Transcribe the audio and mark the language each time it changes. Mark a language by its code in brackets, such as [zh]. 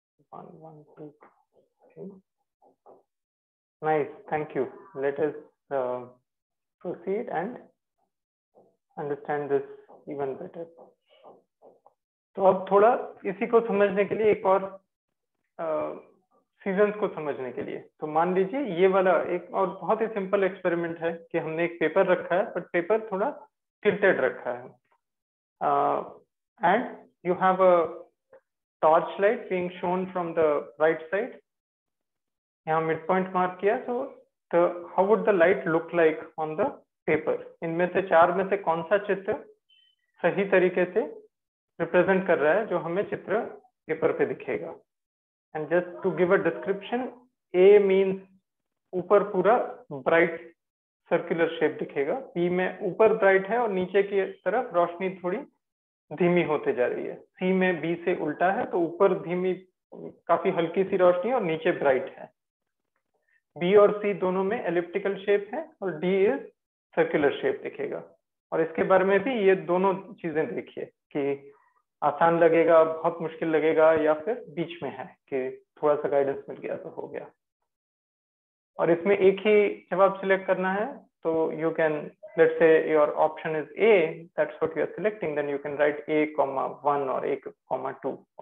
[en] 1, 1, 2. Okay. Nice, thank you. Let us proceed and understand this even better. [hi] So, ab thoda isi ko samajhne ke liye ek aur season को समझने के लिए तो मान लीजिए ये वाला एक और बहुत ही सिंपल एक्सपेरिमेंट है कि हमने एक पेपर रखा है बट पेपर थोड़ा टिल्टेड रखा है [en] And you have a torch light being shone from the right side. [hi] यहाँ मिड पॉइंट मार्क किया तो [en] How would the light look like on the paper. [hi] इनमें से चार में से कौन सा चित्र सही तरीके से रिप्रेजेंट कर रहा है जो हमें चित्र पेपर पे दिखेगा. [en] And just to give a description, A means [hi] ऊपर पूरा [en] bright circular shape दिखेगा. [hi] B में ऊपर bright है और नीचे की तरफ रोशनी थोड़ी धीमी होते जा रही है. C में B से उल्टा है तो ऊपर धीमी काफी हल्की सी रोशनी और नीचे bright है. B और C दोनों में elliptical shape है और D is circular shape दिखेगा. और इसके बारे में भी ये दोनों चीजें देखिए कि आसान लगेगा बहुत मुश्किल लगेगा या फिर बीच में है कि थोड़ा सा गाइडेंस मिल गया तो हो गया. और इसमें एक ही जवाब सिलेक्ट करना है तो [en] So you can, let's say your option is A, that's what you are selecting, then you can write A comma 1 or A comma 2.